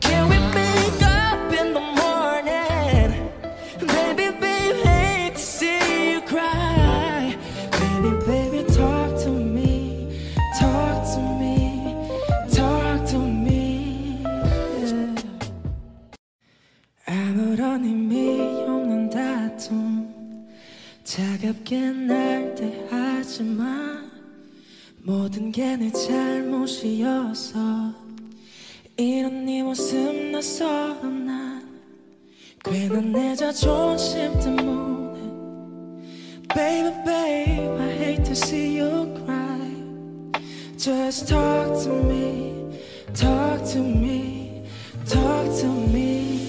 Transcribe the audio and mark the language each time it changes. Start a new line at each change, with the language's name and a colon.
English: Can we make up in the morning? Baby, baby, hate to see you cry. Baby, baby, talk to me, talk to me, talk to me. Yeah.
Korean: 아무런 의미 없는 다툼 차갑게 날 때 하지마. 모든 게 내 잘못이어서 이런 네 모습 낯설어. 난 괜한 내 자존심 때문에
English: Baby babe I hate to see you cry. Just talk to me, talk to me, talk to me.